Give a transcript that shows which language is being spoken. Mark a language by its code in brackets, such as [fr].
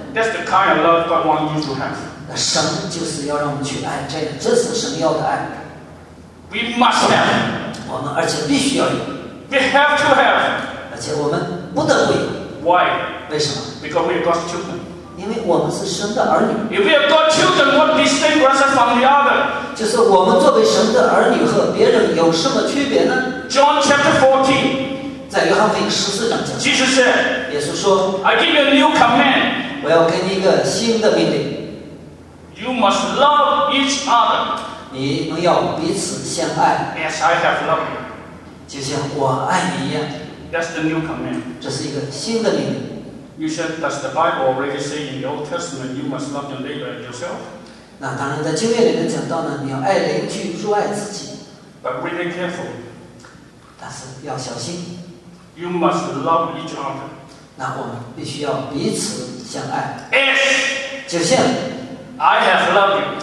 [en] That's the kind of love God wants you to have。 [zh] 神就是要让我们去爱，这是神要的爱。 [en] We must have。 [zh] 我们而且必须要有。 [en] We have to have。 [zh] 而且我们不得不有。 [en] Why？ [zh] 为什么 [en] ？Because we are God's children。 [zh] 因为我们是神的儿女。 [en] If we are God's children, what distinguishes us from the other？ [zh] 就是我们作为神的儿女和别人有什么区别呢 [en] ？John chapter 14。 [zh] 在约翰福音十四章讲。 [en] Jesus said。 [zh] 耶稣说。 [en] I give you a new command。 [zh] 我要给你一个新的命令。 [en] You must love each other。 [zh] 你们要彼此相爱。 [en] Yes, I have loved you。 [zh] 就像我爱你一样。 [en] That's the new command。 [zh] 这是一个新的命令。 [en] You said, does the Bible already say in the Old Testament you must love your neighbor as yourself？ [zh] 那当然，在旧约里面讲到呢，你要爱邻居如爱自己。 [en] But really careful。 [zh] 但是要小心。 [en] You must love each other。 [zh] 那我们必须要彼此相爱。 [en] Yes， [zh] 就像 [en] I have loved you，